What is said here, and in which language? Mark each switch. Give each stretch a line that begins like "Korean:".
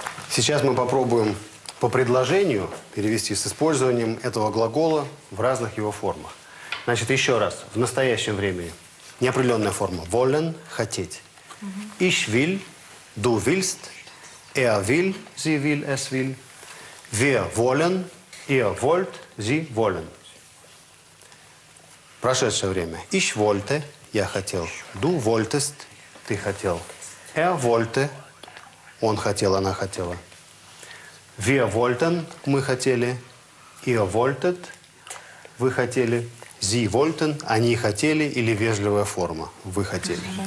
Russian: Сейчас мы попробуем по предложению перевести с использованием этого глагола в разных его формах. Значит, еще раз, в настоящем времени неопределенная форма. Wollen – хотеть.
German: Ich will, du willst, Er will, sie will, es will. Wir wollen, ihr wollt, sie wollen.
Russian: Прошедшее время.
German: Ich wollte,
Russian: я хотел.
German: Du wolltest,
Russian: ты хотел.
German: Er wollte,
Russian: он хотел, она хотела.
German: Wir wollten,
Russian: мы хотели.
German: Ihr wolltet,
Russian: вы хотели.
German: Sie wollten,
Russian: они хотели, или вежливая форма. Вы хотели.